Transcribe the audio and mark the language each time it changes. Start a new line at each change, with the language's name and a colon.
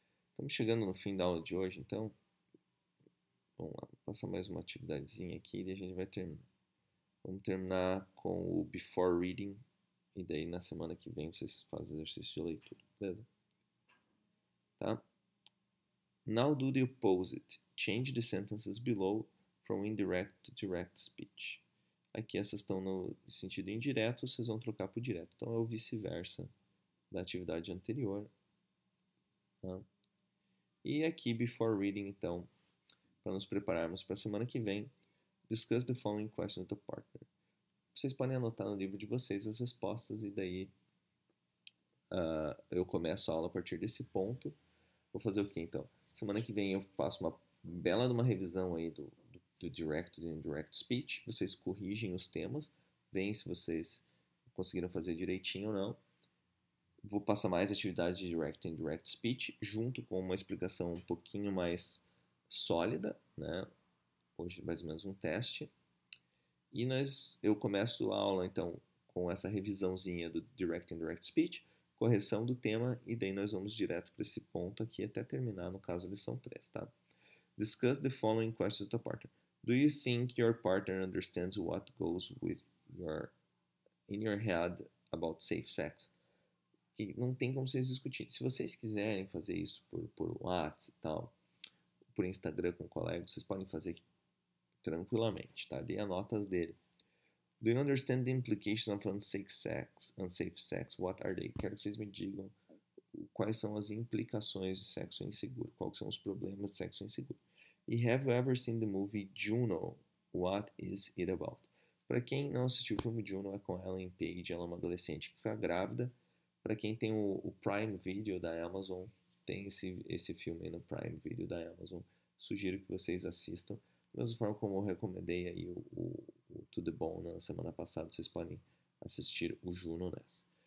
Portuguese: Estamos chegando no fim da aula de hoje, então vamos lá, passar mais uma atividadezinha aqui e a gente vai terminar. Vamos terminar com o before reading e daí na semana que vem vocês fazem exercício de leitura, beleza? Tá?
English: Now do the opposite. Change the sentences below from indirect to direct speech.
Portuguese: Aqui essas estão no sentido indireto, vocês vão trocar para o direto. Então é o vice-versa da atividade anterior. Tá? E aqui, before reading, então, para nos prepararmos para a semana que vem,
English: discuss the following question with the partner.
Portuguese: Vocês podem anotar no livro de vocês as respostas e daí eu começo a aula a partir desse ponto. Vou fazer o quê, então? Semana que vem eu faço uma bela de uma revisão aí do direct e indirect speech, vocês corrigem os temas, veem se vocês conseguiram fazer direitinho ou não. Vou passar mais atividades de direct e indirect speech, junto com uma explicação um pouquinho mais sólida, né? Hoje mais ou menos um teste. E eu começo a aula então com essa revisãozinha do direct e indirect speech, correção do tema, e daí nós vamos direto para esse ponto aqui até terminar, no caso, a lição 3, tá?
English: Discuss the following questions with the partner. Do you think your partner understands what goes with in your head about safe sex?
Portuguese: Que não tem como vocês discutirem. Se vocês quiserem fazer isso por WhatsApp e tal, por Instagram com colegas, vocês podem fazer tranquilamente, tá? Dê as notas dele.
English: Do you understand the implications of unsafe sex? What are they?
Portuguese: Quero que vocês me digam quais são as implicações de sexo inseguro, quais são os problemas de sexo inseguro.
English: E have you ever seen the movie Juno? What is it about?
Portuguese: Para quem não assistiu o filme Juno, é com Ellen Page, ela é uma adolescente que fica grávida. Para quem tem o Prime Video da Amazon, tem esse filme aí no Prime Video da Amazon. Sugiro que vocês assistam. Da mesma forma como eu recomendei aí o Tudo Bom na semana passada, vocês podem assistir o Juno nessa.